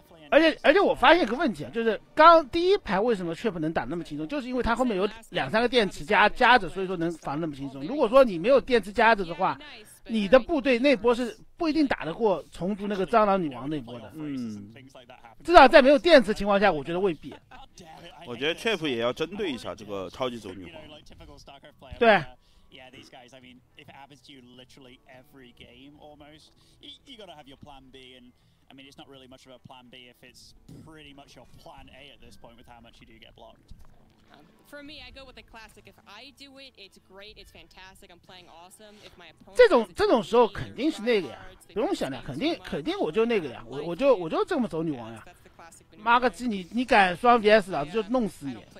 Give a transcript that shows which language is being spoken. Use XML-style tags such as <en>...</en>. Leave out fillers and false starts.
<zh>而且我发现一个问题啊，就是刚第一排为什么 trip 能打那么轻松，就是因为他后面有两三个电池夹着，所以说能防那么轻松。如果说你没有电池夹着的话，你的部队那波是不一定打得过虫族那个蟑螂女王那波的。嗯，至少在没有电池情况下，我觉得未必。我觉得 trip 也要针对一下这个超级族女王。对。</zh> <en>Yeah, these guys, I mean, if it happens to you literally every game almost, you gotta have your plan B, and I mean, it's not really much of a plan B if it's pretty much your plan A at this point with how much you do get blocked. For me, I go with the classic. If I do it, it's great, it's fantastic, I'm playing awesome. If my opponent.</en> <zh>这种时候肯定是那个呀，不用想的，肯定我就那个呀，我就这么走女王呀。妈个鸡，你敢双 VS 老子就弄死你。</zh>